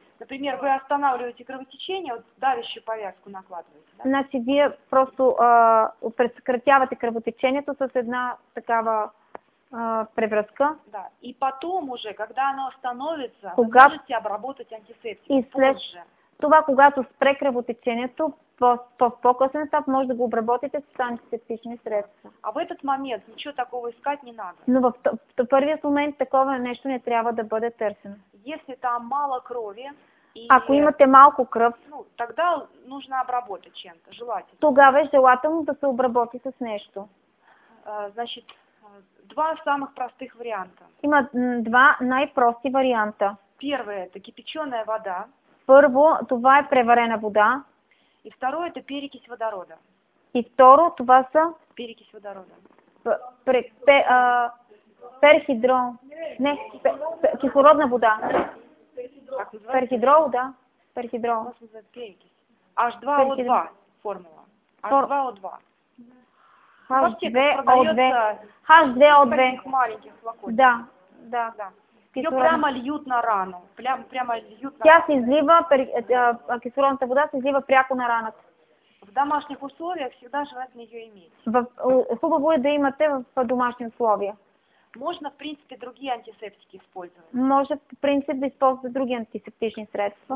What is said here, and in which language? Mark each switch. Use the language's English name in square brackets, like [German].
[Russian] Например, вы останавливаете кровотечение, вот давящую повязку накладываете. Да? [Bulgarian] Значи, вие просто предсъкратявате кръвотечението с една такава превръзка. Да. [Russian] И потом уже, когда оно остановится, вы можете обработать антисептик. [Bulgarian] И след [Russian] позже. [Bulgarian] Това, когато спре кръвотечението, по-късен етап може да го обработите с антисептични средства. [Russian] А в этот момент ничего такого искать не надо. [Bulgarian] Но в първият момент такова нещо не трябва да бъде търсено. [Russian] Если там мало крови, [Bulgarian] ако имате малко кръв, [Russian] ну, тогда нужно обработать чем-то, желательно. [Bulgarian] Тогава е желателно да се обработи с нещо. [Russian] Значит, два самых простых варианта. [Bulgarian] Има два най-прости варианта. [Russian] Первое – это кипяченая вода. [Bulgarian] Първо, това е преварена вода. [Russian] И второе – это перекись водорода. [Bulgarian] И второ, това са? [Russian] Перекись водорода. [Bulgarian] Перхидро. Не, кислородна вода. Перхидрол, да. Перхидрол. H2O2 формула. H2O2. H2O2. H2O2. [Russian] Маленьких флакончиков. Да, да, да. Кислород. Ее прямо льют на рану. Прямо льют на [Bulgarian] тя [Russian] рану. [Bulgarian] Тя се излива, кислородната вода се излива пряко на раната. [Russian] В домашних условиях всегда желательно ее иметь. [Bulgarian] Хубаво е да имате в домашни условия. [Russian] Можно, в принципе, другие антисептики использовать. [Bulgarian] Може, в принцип, да използвате други антисептични средства.